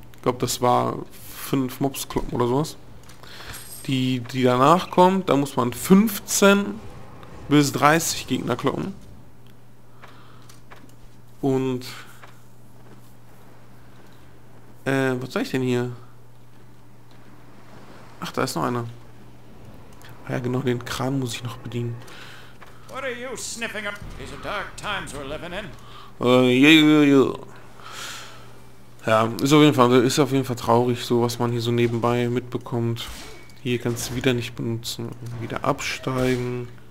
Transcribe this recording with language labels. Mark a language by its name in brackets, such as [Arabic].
[German] Ich glaube, das war 5 Mobs kloppen oder sowas. Die danach kommt, da muss man 15 bis 30 Gegner kloppen. Und... was soll ich denn hier? Ach, da ist noch einer. Ah ja, genau, den Kran muss ich noch bedienen. [English] What are you sniffing up? These are dark times we're living in. [German] Ja, ist auf jeden Fall traurig, so was man hier so nebenbei mitbekommt. Hier kannst du wieder nicht benutzen. Wieder absteigen.